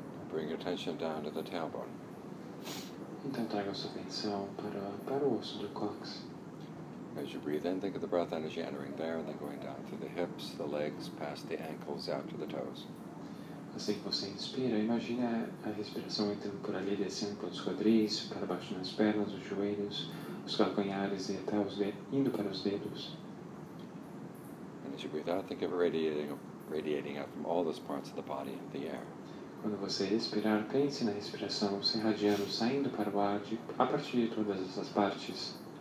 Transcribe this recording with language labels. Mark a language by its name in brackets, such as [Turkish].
[English] bring your attention down to the tailbone. [Portuguese] Então traga sua atenção para o osso do cóccix. [English] As you breathe in, think of the breath energy entering there and then going down through the hips, the legs, past the ankles, out to the toes. [Portuguese] Assim que você inspira, imagine a respiração entrando por ali, descendo pelos quadris, para baixo nas pernas, os joelhos, os calcanhares e até os indo para os dedos. [English] And as you breathe out, think of it radiating out from all those parts of the body into the air. [Portuguese] Quando você respirar, pense na respiração se irradiando, saindo para o ar, a partir de todas essas partes.